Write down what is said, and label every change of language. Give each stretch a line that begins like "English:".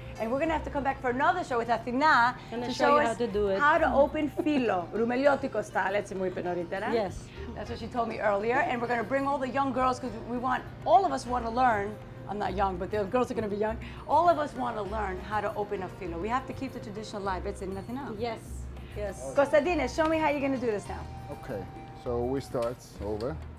English: And we're gonna have to come back for another show with Athena to show us how to open filo, rumeliotico style,
Greek: έτσι μου είπε νωρίτερα.
English: Yes. That's what she told me earlier. And we're gonna bring all the young girls, because we want, all of us want to learn, I'm not young, but the girls are gonna be young. All of us want to learn how to open a filo. We have to keep the tradition alive,
Greek: έτσι είναι
English: Athena. Yes. Yes. Costadine, show me how you're gonna do this now. Okay, so we start over.